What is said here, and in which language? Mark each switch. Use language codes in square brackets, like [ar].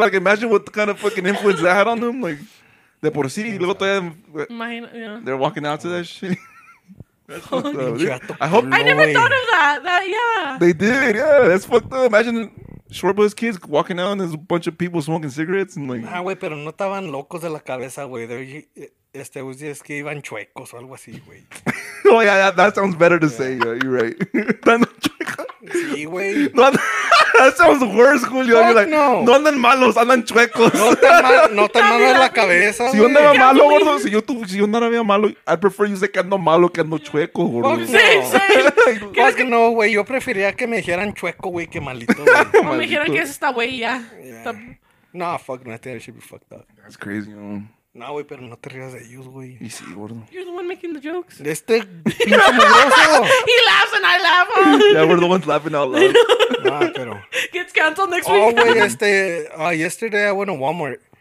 [en] Like, imagine what kind of fucking influence that had on them. [es] Like, de por sí, luego todavía... [en] They're walking out to that shit. I hope. I never thought of that. Yeah. They did, yeah. That's fucked up. Imagine... Short bus kids walking out and there's a bunch of people smoking cigarettes and like... [es] Nah, güey, pero no estaban locos de la cabeza, güey. Es que iban chuecos o algo así, güey. [en] Oh, yeah, that sounds better to say. Yeah, you're right. Están [es] chuecos. Sí, güey. [en] No, that sounds worse, Julio. Fuck, you're like, no. [es] No andan malos, andan chuecos. No tan malo de la cabeza, si yo andaba malo, gordo, si yo andaba malo, [en] I prefer you say [es] que ando malo que ando chueco, gordo. Sí, sí. Es que no, güey, yo preferiría que me dijeran chueco, güey, que malito, güey. O me dijeran que es esta güey ya. [en] Yeah. No, fuck, no, I think I should be fucked up. That's crazy, man. [es] No, güey, pero no te rías de ellos, güey. Y sí, gordo. [en] You're the one making the jokes. [es] Este pinche mugroso. [en] He laughs and I laugh. Yeah, we're the ones laughing out loud. [es] Nah, pero. [en] Gets canceled next week. Oh, güey, yesterday I went to Walmart.